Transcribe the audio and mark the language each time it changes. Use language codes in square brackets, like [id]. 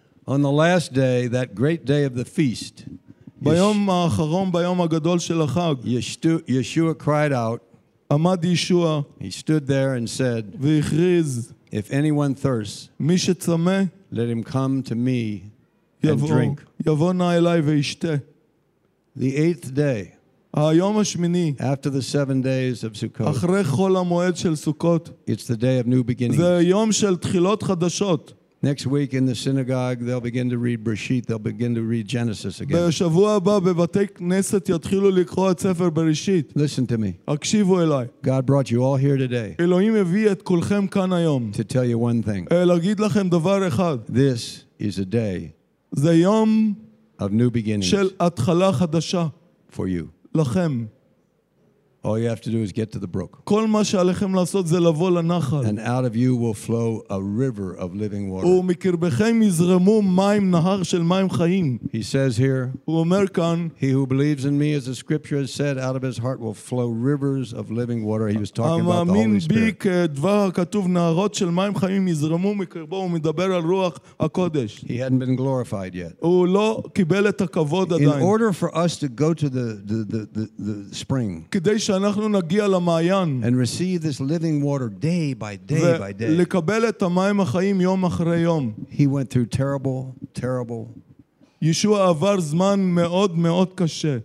[en] On the last day, that great day of the feast, [he] ביום האחרון, ביום הגדול של החג, [en] Yeshua cried out, [he] עמד ישוע, [en] he stood there and said, [he] והכריז, [en] if anyone thirsts, [he] מי שצמא, [en] let him come to me and drink. [he] יבוא נא אליי וישתה. [en] The eighth day, [he] היום השמיני, [en] after the 7 days of Sukkot, [he] אחרי חול המועד של סוכות, [en] it's the day of new beginnings. [he] זה יום של תחילות חדשות. [en] Next week in the synagogue, they'll begin to read Bereshit, they'll begin to read Genesis again. [he] בשבוע הבא בבתי כנסת יתחילו לקרוא את ספר בראשית. [en] Listen to me. [he] הקשיבו אליי. [en] God brought you all here today. [he] אלוהים הביא את כולכם כאן היום. [en] To tell you one thing. [he] להגיד לכם דבר אחד. [en] This is a day. [he] זה יום [en] of new beginnings. [he] של התחלה חדשה. [en] For you. [he] לכם. [en] All you have to do is get to the brook. [he] כל מה שעליכם לעשות זה לבוא לנחל. [en] And out of you will flow a river of living water. [he] ומקרבכם יזרמו מים, נהר של מים חיים. [en] He says here, [he] הוא אומר כאן, [en] he who believes in me, as the scripture has said, out of his heart will flow rivers of living water. He was talking about the Holy Spirit. [he] המאמין בי כדבר הכתוב, נהרות של מים חיים יזרמו מקרבו, הוא מדבר על רוח הקודש. [en] He hadn't been glorified yet. [he] הוא לא קיבל את הכבוד עדיין. [en] In order for us to go to the spring, [he] שאנחנו נגיע למעיין [en] and receive this living water day by day by day, [he] לקבל את המים החיים יום אחרי יום, [en] he went through terrible [he] ישוע עבר זמן מאוד מאוד קשה,